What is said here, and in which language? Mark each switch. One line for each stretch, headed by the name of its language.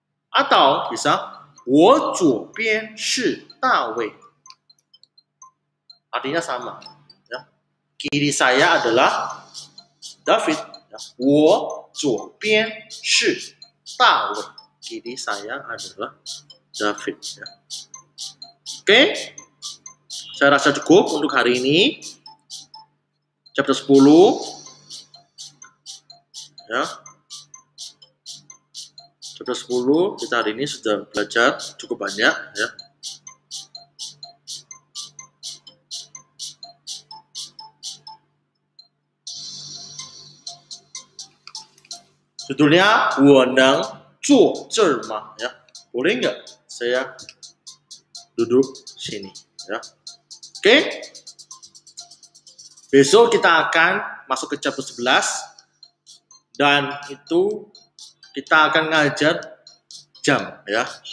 Chinese: Atau bisa 我左边是大卫。
Indonesian: Artinya sama, ya. Kiri saya adalah David, ya.
Chinese: 我左边是大卫。
Indonesian: Kiri saya adalah David, ya. Oke, saya rasa cukup untuk hari ini. Chapter 10. Ya. Chapter 10, kita hari ini sudah belajar cukup banyak, ya.
Chinese: Judulnya, 我能坐这儿吗?
Indonesian: Ya, boleh enggak saya duduk sini? Ya. Oke, besok kita akan masuk ke chapter 11. Dan itu kita akan ngajar jam. Ya.